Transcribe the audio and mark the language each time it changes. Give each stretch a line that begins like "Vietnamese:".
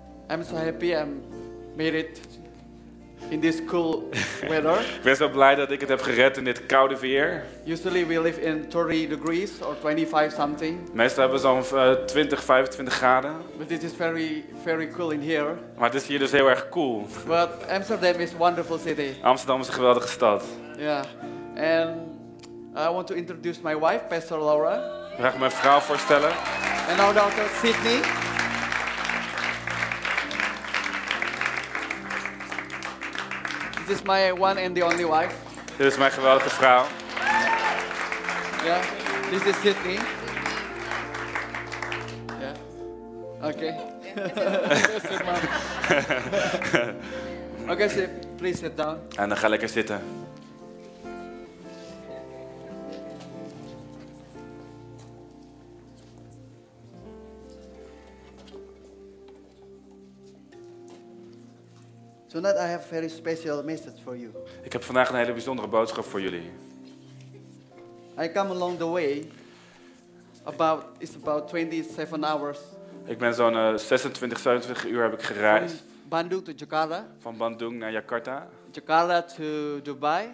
English: I'm so happy I made it in this cool weather.
Dutch: Ik ben zo blij dat ik het heb gered in dit koude weer.
English: Usually we live in 30 degrees or 25 something.
Dutch: Meestal hebben we zo'n 20, 25 graden.
English: But this is very, very cool in here.
Dutch: Maar het is hier dus heel erg cool.
English: But Amsterdam is a wonderful city.
Dutch: Amsterdam is een geweldige stad.
English: Yeah, and I want to introduce my wife, Pastor Laura.
Dutch: Graag mijn vrouw voorstellen.
English: And our daughter, Sydney. This is my one and the only wife.
Dutch: Dit is mijn geweldige vrouw.
English: Yeah, this is Sydney. Yeah, okay. Okay, so please sit down.
Dutch: En dan ga lekker zitten.
English: Tonight I have a very special message for you.
Dutch: Ik heb vandaag een hele bijzondere boodschap voor jullie.
English: I come along the way. It's about 27 hours.
Dutch: Ik ben zo'n 26-27 uur heb ik gereisd.
English: From Bandung to Jakarta.
Dutch: Van Bandung naar Jakarta.
English: Jakarta to Dubai.